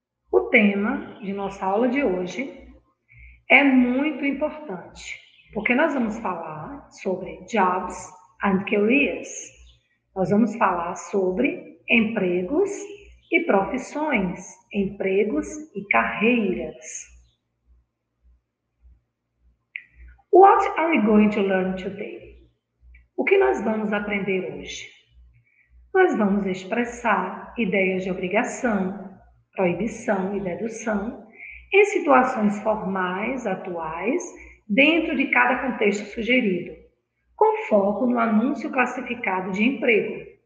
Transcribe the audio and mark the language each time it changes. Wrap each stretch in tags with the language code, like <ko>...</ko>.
<pt>O tema de nossa aula de hoje é muito importante, porque nós vamos falar sobre</pt> <en>jobs and careers.</en> <pt>Nós vamos falar sobre empregos e profissões, empregos e carreiras.</pt> <en>What are we going to learn today?</en> <pt>O que nós vamos aprender hoje? Nós vamos expressar ideias de obrigação, proibição e dedução em situações formais atuais dentro de cada contexto sugerido, com foco no anúncio classificado de emprego.</pt>